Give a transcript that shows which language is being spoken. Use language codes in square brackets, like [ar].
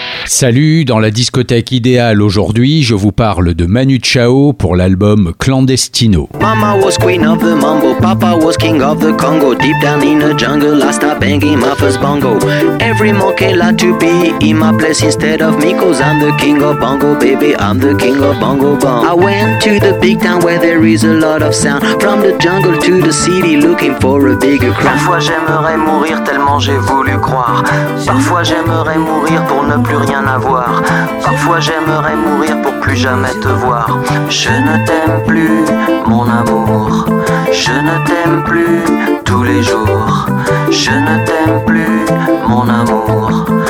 [fr] Salut, dans la discothèque idéale aujourd'hui, je vous parle de Manu Chao pour l'album Clandestino. [en] Mama was queen of the mambo, papa was king of the Congo. Deep down in the jungle, I start banging my first bongo. Every monkey like to be in my place instead of me, cause I'm the king of bongo, baby, I'm the king of bongo bong. I went to the big town where there is a lot of sound, from the jungle to the city looking for a bigger crown. [fr] Parfois j'aimerais mourir tellement j'ai voulu croire, parfois j'aimerais mourir pour ne plus rien. Rien à voir. Parfois j'aimerais mourir pour plus jamais te voir. Je ne t'aime plus, mon amour. Je ne t'aime plus tous les jours. Je ne t'aime plus, mon amour.